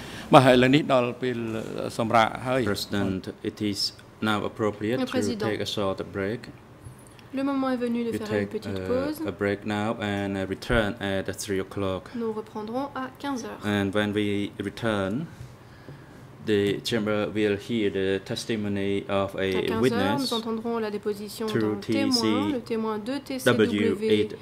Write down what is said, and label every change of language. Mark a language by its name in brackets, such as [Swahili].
[English] President, it is now appropriate to take a short break. [French] Le moment est venu de faire une petite pause. [English] A break now and return at 3 o'clock. [French] Nous reprendrons à 15 heures. [English] And when we return, the chamber will hear the testimony of a witness. [French] Nous entendrons la déposition d'un témoin, le témoin de TCW